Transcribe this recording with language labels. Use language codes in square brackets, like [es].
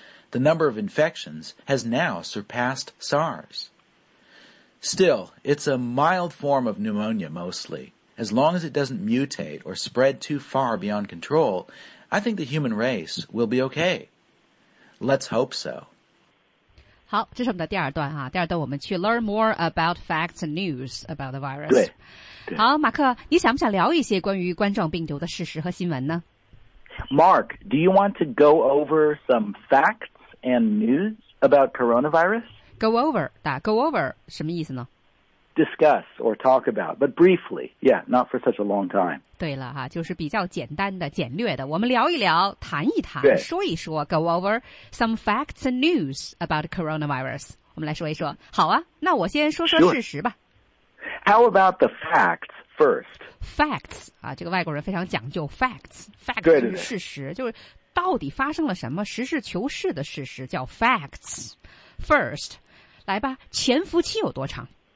[en] The number of infections has now surpassed SARS. Still, it's a mild form of pneumonia mostly. As long as it doesn't mutate or spread too far beyond control, I think the human race will be okay. Let's hope so. [zh] 好，这是我们的第二段哈。第二段我们去 [en] learn more about facts and news about the virus。 [zh] 对。好，马克，你想不想聊一些关于冠状病毒的事实和新闻呢？ [en] Mark, do you want to go over some facts and news about coronavirus? [zh] Go over, 打 go over 什么意思呢？ [en] Discuss or talk about, but briefly, yeah, not for such a long time. [zh] 对了哈，就是比较简单的、简略的，我们聊一聊、谈一谈、说一说。 [en] Go over some facts and news about coronavirus. [zh] 我们来说一说。好啊，那我先说说事实吧。 [en] Sure. How about the facts first? [zh] Facts 啊，这个外国人非常讲究 facts. Facts 就是事实，就是到底发生了什么，实事求是的事实叫 facts. First, 来吧，潜伏期有多长？